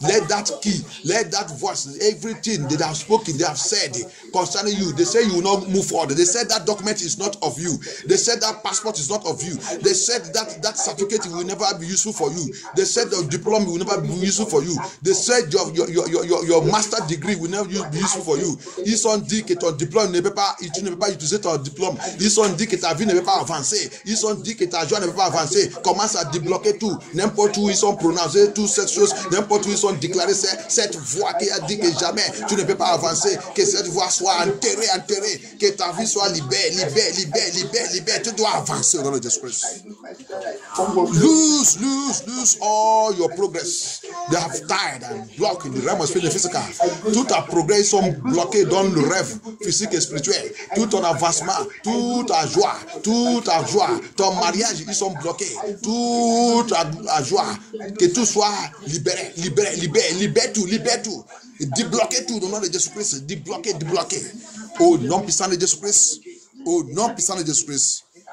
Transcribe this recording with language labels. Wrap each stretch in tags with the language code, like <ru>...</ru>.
<en>Let that voice, everything they have spoken, they have said concerning you, they say you will not move forward. They said that document is not of you. They said that passport is not of you. They said that certificate will never be useful for you. They said the diploma will never be useful for you. They said your master degree will never be useful for you.</en> <fr>Ils ont dit que ton diplôme ne peut pas, tu ne peux pas utiliser ton diplôme. Ils ont dit que ta vie ne peut pas avancer. Ils ont dit que ta joie ne peut pas avancer. Commence à débloquer tout. N'importe où ils ont prononcé toutes ces choses. N'importe où ils ont déclaré cette voix qui a dit que jamais tu ne peux pas avancer. Que cette voix soit enterrée. Que ta vie soit libérée. Tu dois avancer au nom de Jésus Christ.</fr> <en>Lose all your progress. They have tied and blocked in the realm of spirit and physical.</en> <fr>Tout ta progrès ils sont bloqués dans le rêve physique et spirituel. Tout ton avancement, toute ta joie, toute ta joie, ton mariage, ils sont bloqués. Toute ta joie, que tout soit libéré, libère tout. Débloquer tout au nom de Jésus Christ. Débloquer. Au nom puissant de Jésus Christ.</fr>